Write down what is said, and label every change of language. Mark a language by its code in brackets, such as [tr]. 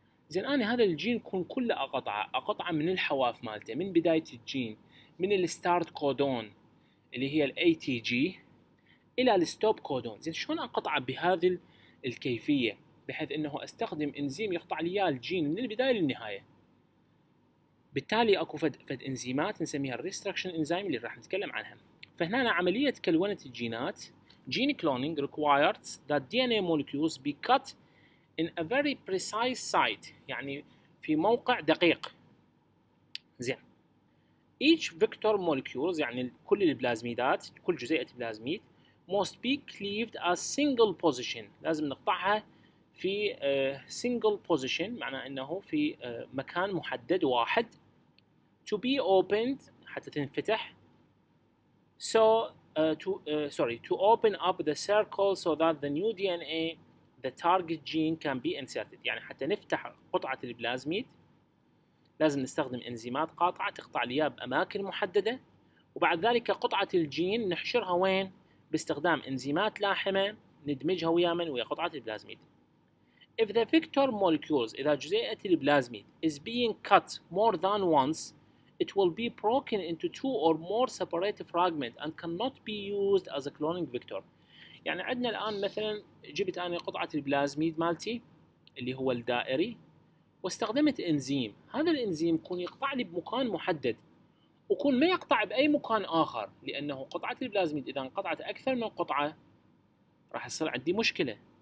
[ar] إذا الآن هذا الجين يكون كله أقطع، أقطع من الحواف مالته، من بداية الجين، من الستارت كودون اللي هي الاي تي جي إلى الستوب كودون. زين شلون أقطع بهذه الكيفية بحيث أنه أستخدم إنزيم يقطع لي الجين من البداية للنهاية؟ بالتالي أكو فد إنزيمات نسميها الريستركشن إنزيم اللي راح نتكلم عنها. فهنا عملية كلونة الجينات جين كلونينج [en] requires that DNA molecules be cut in a very precise site، [ar] يعني في موقع دقيق. زين [en] each vector molecules [ar] يعني كل البلازميدات، كل جزيئة بلازميد [en] must be cleaved a single position، [ar] لازم نقطعها في single position، معناه انه في مكان محدد واحد، [en] to be opened [ar] حتى تنفتح. [en] So to open up the circle so that the new DNA the target gene can be inserted، [ar] يعني حتى نفتح قطعة البلازميد لازم نستخدم انزيمات قاطعة تقطع ليها بأماكن محددة، وبعد ذلك قطعة الجين نحشرها وين؟ باستخدام انزيمات لاحمة ندمجها ويا من؟ ويا قطعة البلازميد. [en] If the vector molecules [ar] إذا جزيئة البلازميد [en] is being cut more than once it will be broken into two or more separate fragments and cannot be used as a cloning vector. [ar] يعني عندنا الآن مثلا جبت أنا قطعة البلازميد مالتي اللي هو الدائري واستخدمت إنزيم، هذا الإنزيم يكون يقطع لي بمكان محدد ويكون ما يقطع بأي مكان آخر، لأنه قطعة البلازميد إذا انقطعت أكثر من قطعة راح يصير عندي مشكلة.